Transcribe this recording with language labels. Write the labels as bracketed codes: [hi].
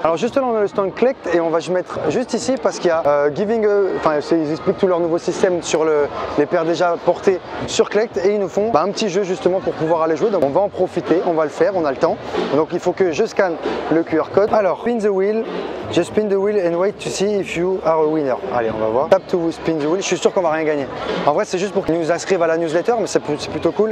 [fr] Alors, juste là, on a le stand Klekt et on va se mettre juste ici parce qu'il y a Giving. Enfin, ils expliquent tout leur nouveau système sur les paires déjà portées sur Klekt et ils nous font un petit jeu justement pour pouvoir aller jouer. Donc, on va en profiter, on va le faire, on a le temps. Donc, il faut que je scanne le QR code. [en] Alors, spin the wheel. Just spin the wheel and wait to see if you are a winner. [fr] Allez, on va voir. [en] Tap to spin the wheel. [fr] Je suis sûr qu'on va rien gagner. En vrai, c'est juste pour qu'ils nous inscrivent à la newsletter, mais c'est plutôt cool.